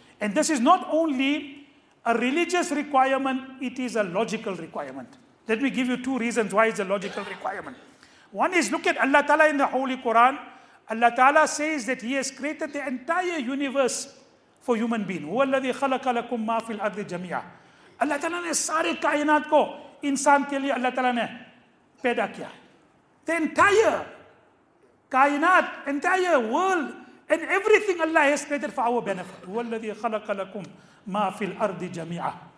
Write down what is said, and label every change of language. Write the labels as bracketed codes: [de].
[en] And this is not only a religious requirement, it is a logical requirement. Let me give you two reasons why it's a logical requirement. One is, look at Allah Ta'ala in the Holy Quran. Allah Ta'ala says that He has created the entire universe for human beings. [ar] هو الذي خلق لكم ما في الأرض جميعا. [ur] Allah Ta'ala نے سارے کائنات کو انسان کے لئے Allah Ta'ala نے پیدا کیا. [en] The entire kainat, entire world, and everything Allah has created for our benefit. [ar] هو الذي خلق لكم ما في الأرض جميعا.